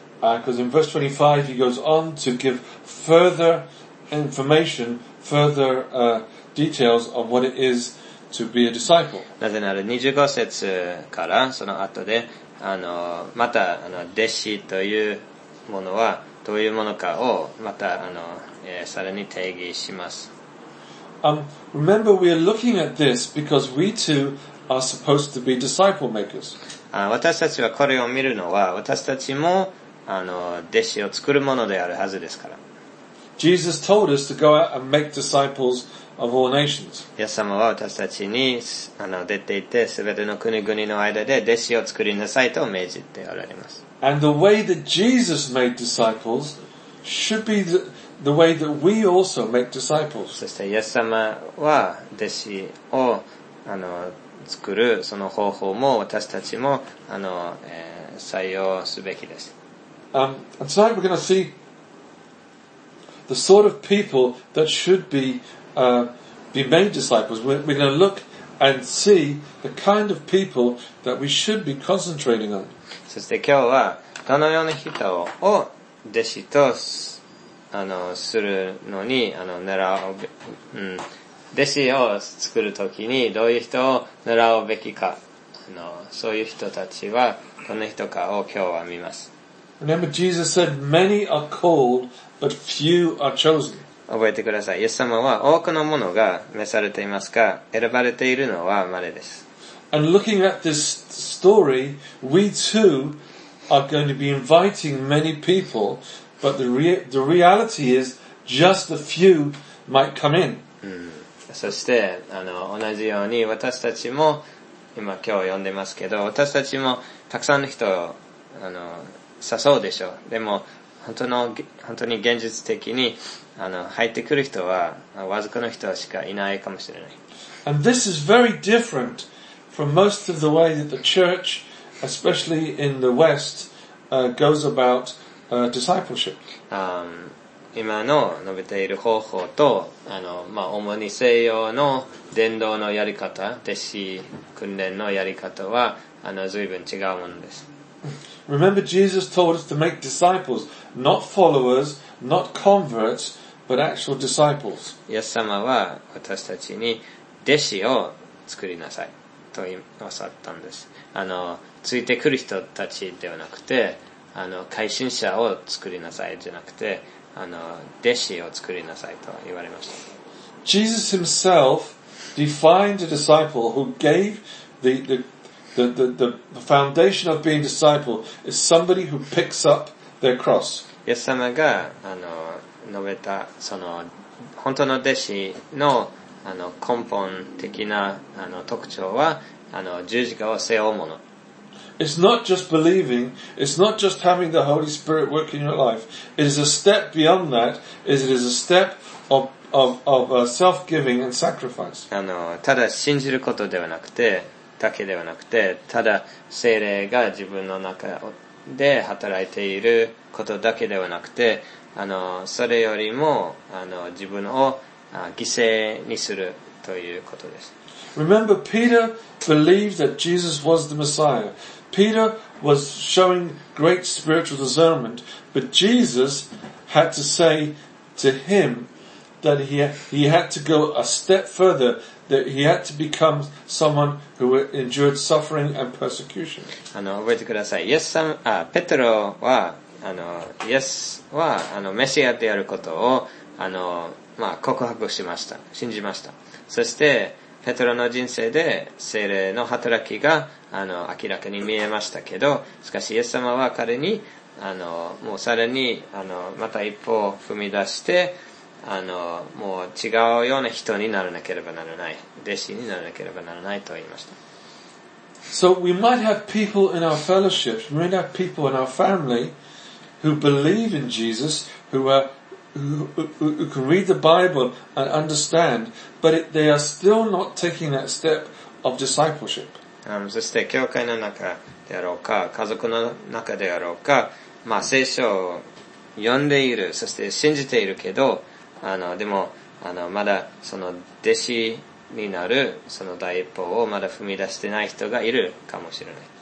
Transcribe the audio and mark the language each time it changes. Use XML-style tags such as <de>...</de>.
<en>Because in verse 25 he goes on to give further information, further details of what it is to be a disciple.</en> <ja>なぜなら25節からその後で、また弟子というものはどういうものかをまたさらに定義します。</ja> <en>Remember, we are looking at this because we too are supposed to be disciple makers.</en> <ja>私たちはこれを見るのは私たちも弟子を作るものであるはずですから。</ja> <en>Jesus told us to go out and make disciples of all nations.</en> <ja>イエス様は私たちに出て行って、すべての国々の間で弟子を作りなさいと命じておられます。</ja> <en>And the way that Jesus made disciples should be the way that we also make disciples.</en> <ja>そしてイエス様は弟子を作るその方法も私たちも採用すべきです。</ja> <en>And tonight we're going to see the sort of people that should be made disciples. We're going to look and see the kind of people that we should be concentrating on.</en> <ja>そして今日はどのような人を弟子とするのに狙う、弟子を作るときにどういう人を狙うべきか、そういう人たちはどの人かを今日は見ます。</ja> <en>Remember, Jesus said, "Many are called, but few are chosen."</en> <ja>覚えてください。イエス様は多くの者が召されていますが、選ばれているのは稀です。</ja> <en>And looking at this story, we too are going to be inviting many people, but the reality is just a few might come in.、</en> <ja>そして同じように私たちも今日呼んでますけど、私たちもたくさんの人を誘うでしょう。でも本当に現実的に入ってくる人はわずかの人しかいないかもしれない。</ja> <en>And this is very different from most of the way that the church, especially in the West, goes about discipleship.</en> <ja>今の述べている方法と主に西洋の伝道のやり方、弟子訓練のやり方は随分違うものです。</ja> <en>Remember, Jesus told us to make disciples, not followers, not converts, but actual disciples.</en> <ja>イエス様は私たちに弟子を作りなさいとおっしゃったんです。ついてくる人たちではなくて、改心者を作りなさいじゃなくて、弟子を作りなさいと言われました。</ja> <en>Jesus himself defined a disciple who gave the foundation of being a disciple is somebody who picks up their cross.</en> <ja>イエス様が述べた本当の弟子の根本的な特徴は十字架を背負うもの。</ja> <en>It's not just believing. It's not just having the Holy Spirit work in your life. It is a step beyond that. It is a step of self-giving and sacrifice.</en> <ja>ただ信じることではなくて、だけではなくて、ただ聖霊が自分の中で働いていることだけではなくて、それよりも自分を犠牲にするということです。</ja> <en>Remember, Peter believed that Jesus was the Messiah. Peter was showing great spiritual discernment, but Jesus had to say to him that he had to go a step further, that he had to become someone who endured suffering and persecution.</en> <ja>覚えてください。イエス様、ペテロは、イエスは、メシアであることを、告白しました。信じました。そして、ペテロの人生で聖霊の働きが明らかに見えましたけど、しかしイエス様は彼にもうさらにまた一歩踏み出してもう違うような人にならなければならない、弟子にならなければならないと言いました。</ja> <en>So we might have people in our fellowships, we might have people in our family who believe in Jesus, who can read the Bible and understand, but they are still not taking that step of discipleship.</en> <ja>そして教会の中であろうか、家族の中であろうか、聖書を読んでいる、そして信じているけど、でもまだその弟子になるその第一歩をまだ踏み出してない人がいるかもしれない。</ja>